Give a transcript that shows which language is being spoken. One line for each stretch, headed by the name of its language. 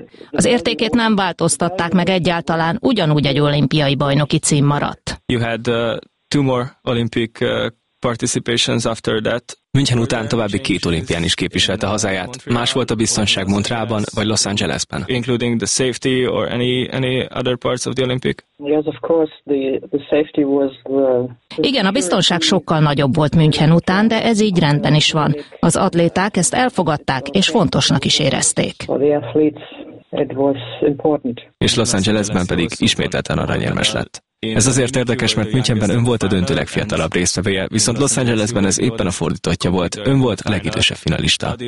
Hungarian: Az értékét nem változtatták meg egyáltalán, ugyanúgy egy olimpiai bajnoki cím maradt.
English: You had two more Olympic participations after that.
Hungarian: München után további két olimpián is képviselte hazáját. Más volt a biztonság Montrealban vagy Los Angelesben?
English: Including the safety or any other parts of the Olympic? Yes, of course, the safety was the...
Hungarian: Igen, a biztonság sokkal nagyobb volt München után, de ez így rendben is van. Az atléták ezt elfogadták és fontosnak is érezték. És Los Angelesben pedig ismételten aranyérmes lett. Ez azért érdekes, mert Münchenben ön volt a döntő legfiatalabb résztvevője, viszont Los Angelesben ez éppen a fordítottja volt, ön volt a legidősebb finalista.